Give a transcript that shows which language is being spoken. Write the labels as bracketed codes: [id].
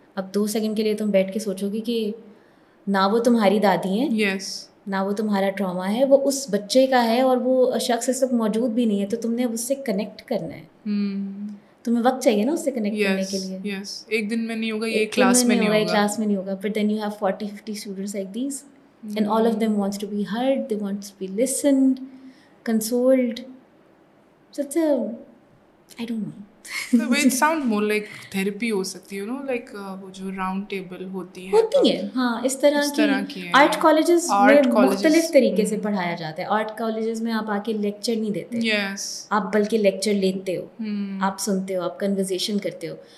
[hi] अब दो सेकंड के लिए तुम बैठ के सोचोगे कि ना वो तुम्हारी दादी हैं, [en] yes. [hi] ना वो तुम्हारा ट्रामा है, वो उस बच्चे का है और वो शख्स इस वक्त मौजूद भी नहीं है. तो तुमने अब उससे कनेक्ट करना है. तुम्हें वक्त चाहिए ना उससे कनेक्ट करने के लिए. एक दिन में नहीं होगा, एक क्लास में नहीं होगा, एक क्लास में नहीं होगा. [en] But then you have 40-50 students like these and all of them wants to be heard, they want to be listened, consoled. So it's a, I don't know. Which sound more like therapy [hi] हो सकती है, [en] you know like [hi] वो जो round table होती है, होती है हाँ, इस तरह की आर्ट कॉलेजेस में मुख्तलिफ तरीके से पढ़ाया जाता है. आर्ट कॉलेजेस में आप आके लेक्चर नहीं देते, [en] yes [hi] आप बल्कि लेक्चर लेते हो, आप सुनते हो, आप कन्वर्सेशन करते हो.